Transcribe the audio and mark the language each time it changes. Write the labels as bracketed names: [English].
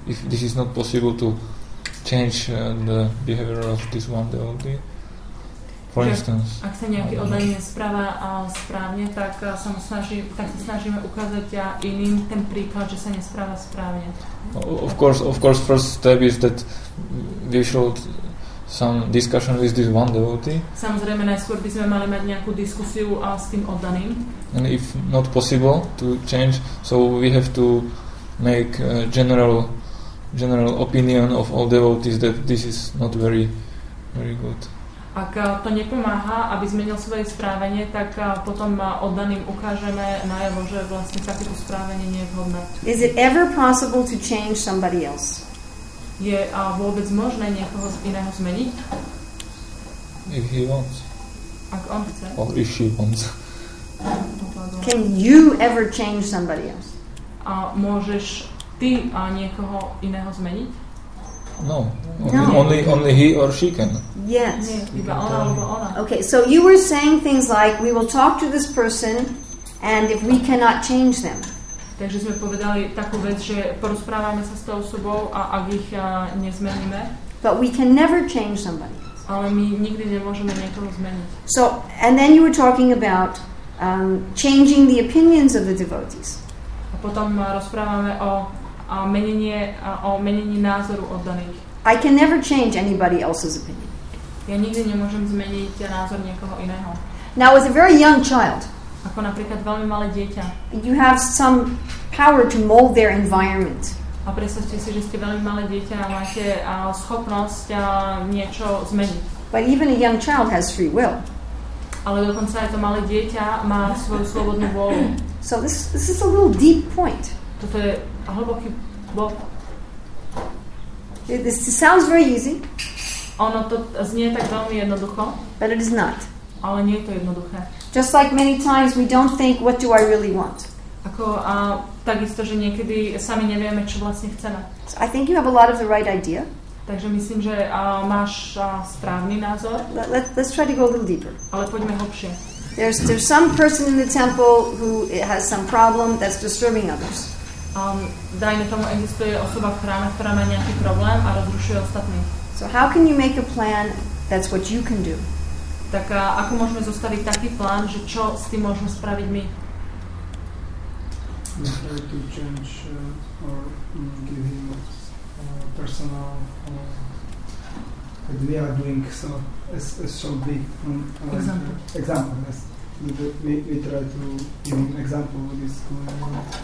[English] If this is not possible to change the behavior of this one devotee, for instance. [Slovak] Ak sa nejaký oddaný nespravá správne, tak sa snažíme ukázať iným ten príklad, že sa nespravá správne. [English] Of course, first step is that we should some discussion with this one devotee. [Slovak] Samozrejme, najskôr by sme mali mať nejakú diskusiu s tým oddaným. [English] And if not possible to change, so we have to make a general opinion of all devotees that this is not very, very good. [Slovak] Ak to nepomáha, aby zmenil svoje správanie, tak potom oddaným ukážeme najavo, že vlastne takéto správanie nie je vhodné. [English] Is it ever possible to change somebody else? [Slovak] Je vôbec možné niekoho iného zmeniť? [English] If he wants. [Slovak] Ak on chce. [English] Or if she wants. Can you ever change somebody else? [Slovak] A môžeš ty niekoho iného zmeniť? [English] No, only he or she can. Yes. Okay, so you were saying things like, we will talk to this person, and if we cannot change them. [Slovak] Takže sme povedali takú vec, že porozprávame sa s tou osobou, a ak ich nezmeníme. [English] But we can never change somebody. [Slovak] Ale my nikdy nemôžeme niekoho zmeniť. [English] So, and then you were talking about changing the opinions of the devotees. [Slovak] A potom rozprávame o menení názoru oddaných. [English] I can never change anybody else's opinion. [Slovak] Ja nikdy nemôžem zmeniť názor niekoho iného. [English] Now, as a very young child, [Slovak] ako napríklad veľmi malé dieťa, [English] you have some power to mold their environment. [Slovak] A predstavte si, že ste veľmi malé dieťa a máte schopnosť niečo zmeniť. [English] But even a young child has free will. [Slovak] Ale dokonca aj to malé dieťa má svoju slobodnú vôľu. [English] So this is a little deep point. [Slovak] Toto je hlboký bod. [English] This sounds very easy. [Slovak] Ono to znie tak veľmi jednoducho. [English] But it is not. [Slovak] Ale nie je to jednoduché. [English] Just like many times we don't think, what do I really want? [Slovak] Ako a takisto, že niekedy sami nevieme, čo vlastne chceme. [English] So I think you have a lot of the right idea. [Slovak] Takže myslím, že máš správny názor. [English] Let's try to go a little deeper. [Slovak] Ale poďme hlbšie. [English] There's some person in the temple who has some problem that's disturbing others. [Slovak] Dajme tomu, existuje osoba v chráme, ktorá má nejaký problém a rozrušuje ostatných. [English] So how can you make a plan that's what you can do? [Slovak] Tak ako môžeme zostaviť taký plán, že čo s tým môžeme spraviť my? [English] Try to change or give him personal that we are doing so as shall be example. Yes. We try to give him example what is going on.